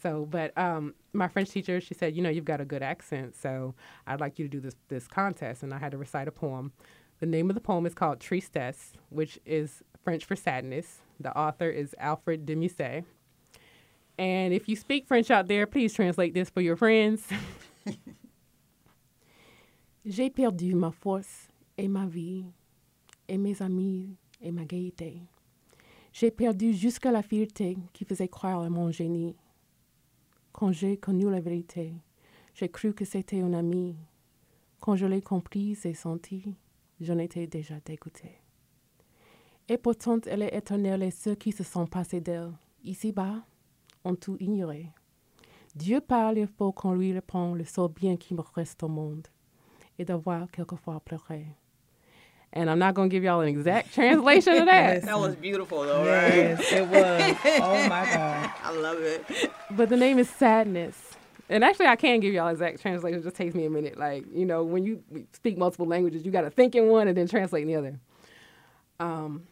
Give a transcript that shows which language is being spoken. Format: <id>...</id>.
<en>So, but my French teacher, she said, you know, you've got a good accent, so I'd like you to do this contest. And I had to recite a poem. The name of the poem is called Tristesse, which is French for sadness. The author is Alfred de Musset. And if you speak French out there, please translate this for your friends.</en> <fr>J'ai perdu ma force et ma vie et mes amis et ma gaieté. J'ai perdu jusqu'à la fierté qui faisait croire à mon génie. Quand j'ai connu la vérité, j'ai cru que c'était un ami. Quand je l'ai comprise et sentie, j'en étais déjà dégoûtée. Et pourtant, elle est éternelle et ceux qui se sont passés d'elle, ici-bas, ont tout ignoré. Dieu parle, il faut qu'on lui réponde le seul bien qui me reste au monde et d'avoir quelquefois pleuré.</fr> <en>And I'm not going to give y'all an exact translation of that. Yes. That was beautiful, though, right? Yes, it was. Oh, my God. I love it. But the name is Sadness. And actually, I can give y'all exact translation. It just takes me a minute. Like, you know, when you speak multiple languages, you got to think in one and then translate in the other.</en>